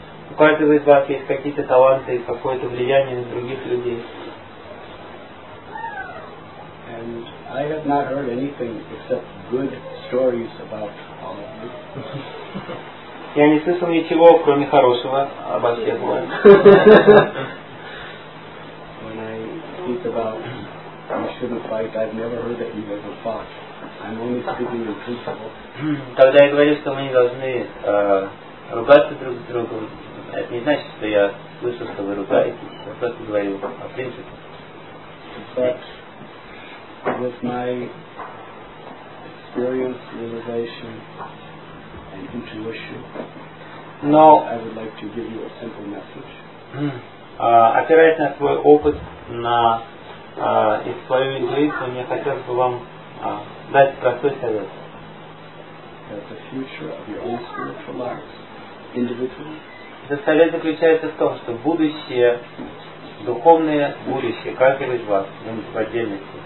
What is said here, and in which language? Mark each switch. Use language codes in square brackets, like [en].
[ru] У каждого из вас есть какие-то таланты и какое-то влияние на других людей. [en] And I have not heard anything except good stories about all of you. [ru] Я не слышал ничего, кроме хорошего обо всех вас. [en] When I speak about you shouldn't fight, I've never heard that you ever fought. I'm only speaking in principle. [ru] Когда я говорю, что мы не должны ругаться друг с другом, это не значит, что я слышал, что вы ругаетесь. Я просто говорю о принципе. [en] With my experience, realization, and intuition, no. I would like to give you a simple message. [ru] Опираясь на свой опыт, на и свою интуицию, мне хотелось бы вам дать простой совет. [en] That the future of your own spiritual lives, individually. [ru] Этот совет заключается в том, что будущее, духовное будущее, каждого из вас, в отдельности.